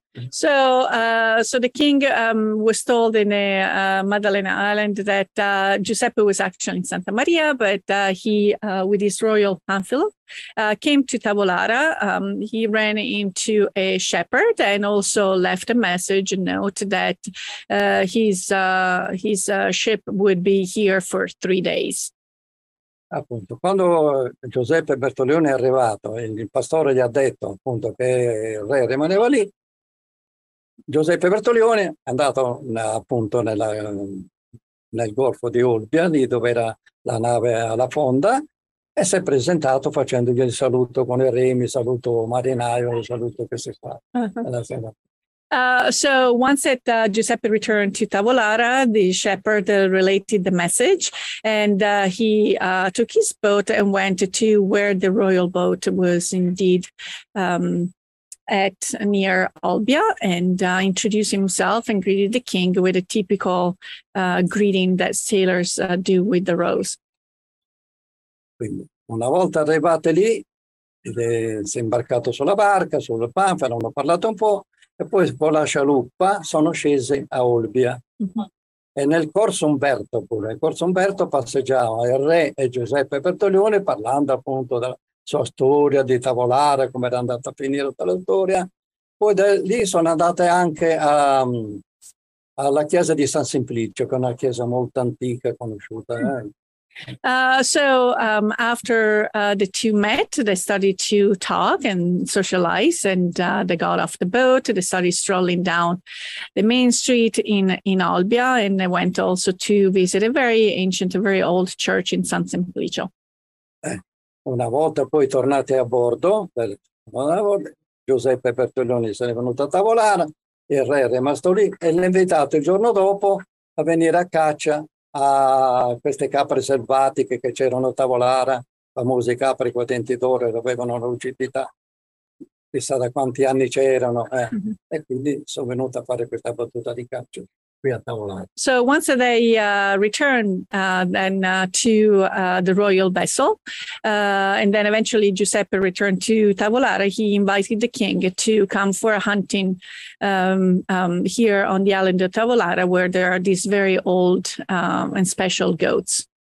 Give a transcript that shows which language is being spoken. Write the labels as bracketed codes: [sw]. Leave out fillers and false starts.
[en] So the king was told in the Maddalena Island that Giuseppe was actually in Santa Maria, but he, with his royal Panfilo, came to Tavolara. He ran into a shepherd and also left a message, a note that his ship would be here for 3 days. [it] Appunto, quando Giuseppe Bertolone è arrivato, il pastore gli ha detto appunto che il re rimaneva lì. Giuseppe Bertolione è andato appunto nel Golfo di Olbia, lì dove era la nave alla fonda, e si è presentato facendogli il saluto con i remi, il saluto marinaio, il saluto che si fa. Uh-huh. [en] So once that Giuseppe returned to Tavolara, the shepherd related the message, and he took his boat and went to where the royal boat was indeed at near Olbia, and introduced himself and greeted the king with a typical greeting that sailors do with the rose. [it] Quindi, una volta arrivati lì, si è imbarcato sulla barca, sul panfilo, hanno parlato un po', e poi con la scialuppa sono scesi a Olbia. Uh-huh. E nel Corso Umberto, pure, nel Corso Umberto passeggiava il re e Giuseppe Bertolione parlando appunto della sua storia di Tavolara, come era andata a finire tutta la storia. Poi da lì sono andate anche alla chiesa di San Simplicio, che è una chiesa molto antica, conosciuta. [en] After the two met, they started to talk and socialize, and they got off the boat. They started strolling down the main street in Olbia, and they went also to visit a very ancient, a very old church in San Simplicio. [it] Una volta poi tornati a bordo, Giuseppe Bertolone se ne è venuto a Tavolara, il re è rimasto lì e l'ha invitato il giorno dopo a venire a caccia a queste capre selvatiche che c'erano a Tavolara, famose capre con denti d'oro, avevano una lucidità, chissà da quanti anni c'erano, mm-hmm. E quindi sono venuto a fare questa battuta di caccia. [en] So once they returned then to the royal vessel, and then eventually Giuseppe returned to Tavolara, he invited the king to come for a hunting here on the island of Tavolara, where there are these very old and special goats.